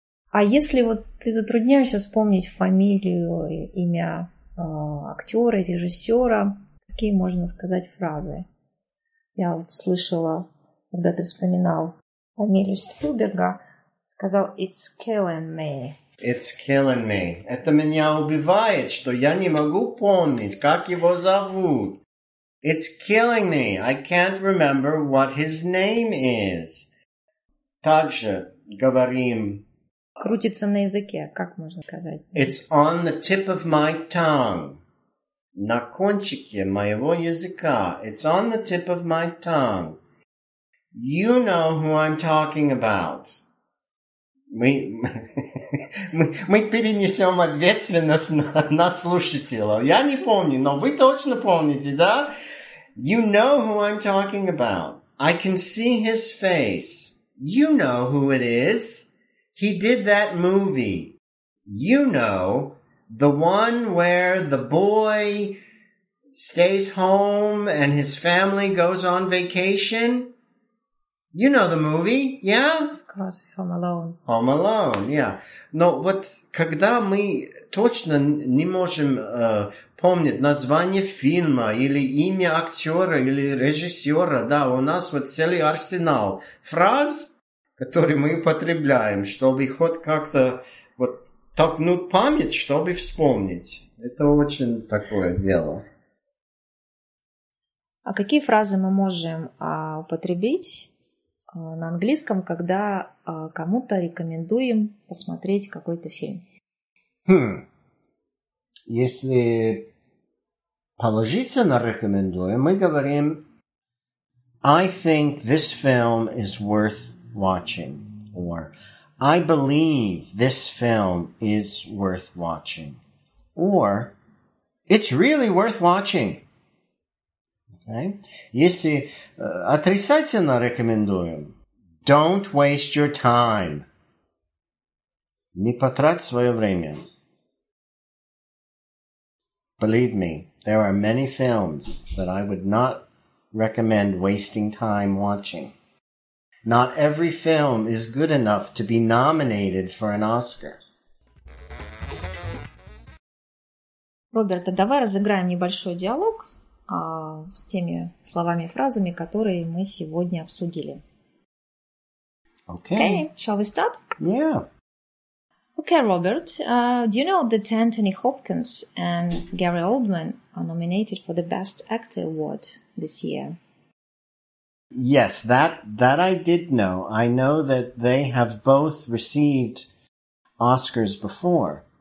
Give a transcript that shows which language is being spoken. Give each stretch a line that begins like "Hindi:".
Russian: А если вот ты затрудняешься вспомнить фамилию, имя актера, режиссера, какие можно сказать фразы? Я вот слышала, когда ты вспоминал фамилию Спилберга, сказал
English: «It's killing me». «It's killing me».
Russian: Это меня убивает, что я не могу помнить, как его зовут.
English: «It's killing me». «I can't remember what his name is».
Russian: Также говорим... Крутится на языке, как можно сказать?
English: It's on the tip of my tongue.
Russian: На кончике моего языка.
English: It's on the tip of my tongue. You know who I'm talking about.
Russian: Мы перенесем ответственность на слушателя. Я не помню, но вы точно помните, да?
English: You know who I'm talking about. I can see his face. You know who it is. He did that movie, you know, the one where the boy stays home and his family goes on vacation. You know the movie, yeah? Of course, Home Alone. Home Alone, yeah.
Russian: Но вот когда мы точно не можем помнить название фильма или имя актера или режиссера, да, у нас вот целый арсенал фраз, который мы употребляем, чтобы хоть как-то вот толкнуть память, чтобы вспомнить. Это очень такое дело. А какие фразы мы можем употребить на английском, когда кому-то рекомендуем посмотреть какой-то фильм? Если положительно рекомендуем, мы говорим
English: «I think this film is worth watching», or «I believe this film is worth watching», Or, it's really worth watching. Okay?
Russian: Если отрицательно рекомендуем,
English: don't waste your time.
Russian: Не потрать свое время.
English: Believe me, there are many films that I would not recommend wasting time watching. Not every film is good enough to be nominated for an Oscar.
Russian: Роберт, давай разыграем небольшой диалог с теми словами и фразами, которые мы сегодня обсудили.
English: Okay. Okay, shall we start? Yeah. Okay, Robert, do you know that Anthony Hopkins and Gary Oldman are nominated for the Best Actor Award this year? Yes, that I did know. I know that they have both received Oscars before.